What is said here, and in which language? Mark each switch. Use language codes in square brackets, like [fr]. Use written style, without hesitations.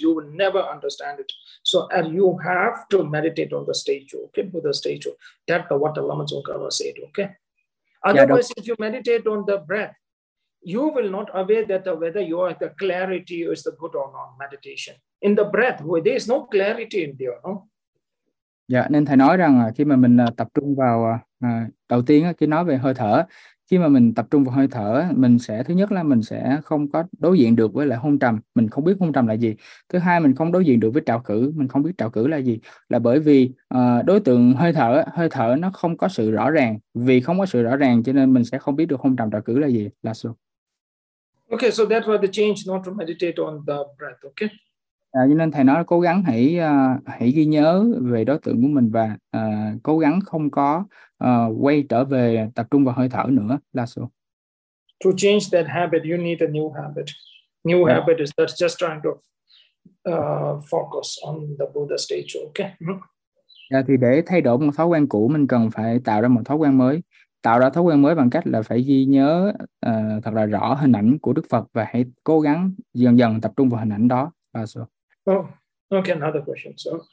[en] You will never understand it. So and you have to meditate on the stage, okay? Buddha stage. That's what the Lama Tsongkhapa said, okay? Otherwise, yeah, if you meditate on the breath, you will not aware that whether you are the clarity is the good or not meditation. In the breath, where there is no clarity in there, no? [vi] Dạ, nên thầy nói rằng khi mà mình tập trung vào đầu tiên khi nói về hơi thở, khi mà mình tập trung vào hơi thở, mình sẽ thứ nhất là mình sẽ không có đối diện được với lại hôn trầm, mình không biết hôn trầm là gì. Thứ hai, mình không đối diện được với trào khử, mình không biết trào khử là gì. Là bởi vì đối tượng hơi thở nó không có sự rõ ràng. Vì không có sự rõ ràng cho nên mình sẽ không biết được hôn trầm trào khử là gì. Là so. [en] Okay, so that was the change not to meditate on the breath, okay? [vi] Cho nên thầy nói cố gắng hãy ghi nhớ về đối tượng của mình và cố gắng không có quay trở về tập trung vào hơi thở nữa. Lasso. [en] To change that habit, you need a new habit. New yeah. habit is that's just trying to focus on the Buddha stage. Okay. [vi] Yeah, thì để thay đổi một thói quen cũ, mình cần phải tạo ra một thói quen mới. Tạo ra thói quen mới bằng cách là phải ghi nhớ thật là rõ hình ảnh của Đức Phật và hãy cố gắng dần dần tập trung vào hình ảnh đó. Lasso. [en] Oh, okay, another question. So,